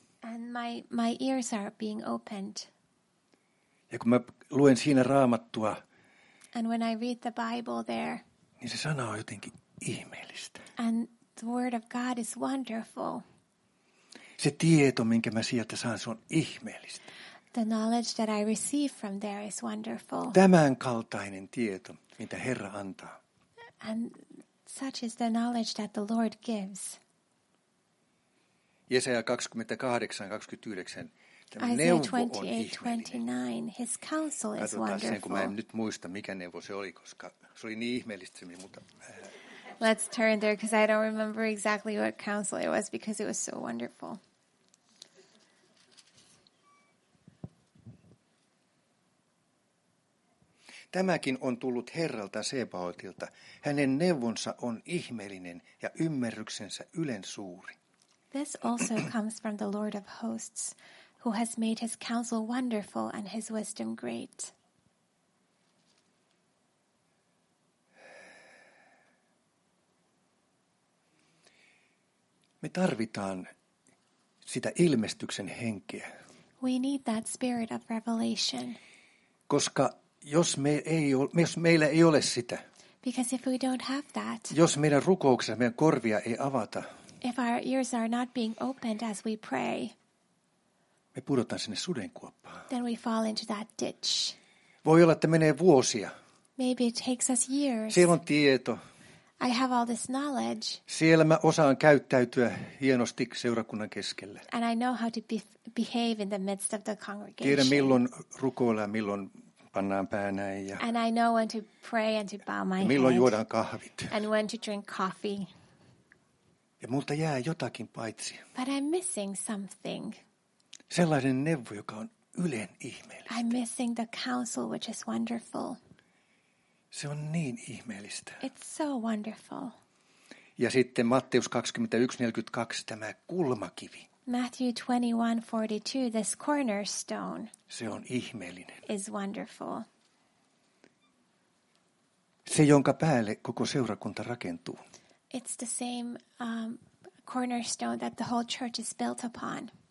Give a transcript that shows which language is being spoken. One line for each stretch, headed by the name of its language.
English: And my ears are being opened.
Finnish: Ja kun mä luen siinä Raamattua.
English: And when I read the Bible there.
Finnish: Niin se sana on jotenkin ihmeellistä.
English: And the word of God is wonderful.
Finnish: Se tieto, minkä mä sieltä saan, se on ihmeellistä.
English: The knowledge that I receive from there is wonderful.
Finnish: Tämänkaltainen tieto, mitä Herra antaa.
English: And such is the knowledge that the Lord gives.
Finnish: Jesaja 28:29. Tämä neuvo on ihmeellinen.
English: His counsel is wonderful.
Finnish: Sen, kun mä en nyt muista, mikä neuvo se oli, koska se oli niin ihmeellistä se, mutta
English: Let's turn there because I don't remember exactly what counsel it was because it was so wonderful.
Finnish: Tämäkin on tullut Herralta Sebaotilta. Hänen neuvonsa on ihmeellinen ja ymmärryksensä ylen suuri.
English: This also comes from the Lord of hosts, who has made his counsel wonderful and his wisdom great.
Finnish: Me tarvitaan sitä ilmestyksen henkeä.
English: We need that spirit of revelation.
Finnish: Koska jos meillä ei ole sitä.
English: Because if we don't have that.
Finnish: Jos meidän rukouksessa meidän korvia ei avata.
English: If our ears are not being opened as we pray.
Finnish: Me pudotaan sinne sudenkuoppaan.
English: Then we fall into that ditch.
Finnish: Voi olla, että menee vuosia.
English: Maybe it takes us years.
Finnish: Siellä on tieto.
English: I have all this knowledge.
Finnish: Siellä mä osaan käyttäytyä hienosti seurakunnan keskellä.
English: And I know how to behave in the midst of the congregation.
Finnish: Tiedän milloin rukoilla, milloin pannaan pää näin ja
English: And I know when to pray and to bow my head.
Finnish: Milloin juodaan kahvit.
English: And when to drink coffee.
Finnish: Ja multa jää jotakin paitsi.
English: But I'm missing something.
Finnish: Sellainen neuvo, joka on ylen ihmeellistä.
English: I'm missing the counsel which is wonderful.
Finnish: Se on niin ihmeellistä.
English: It's so wonderful.
Finnish: Ja sitten Matteus 21:42 tämä kulmakivi.
English: Matthew 21:42 this cornerstone.
Finnish: Se on ihmeellinen.
English: Is wonderful.
Finnish: Se jonka päälle koko seurakunta rakentuu.
English: It's the same cornerstone that the whole church is built upon.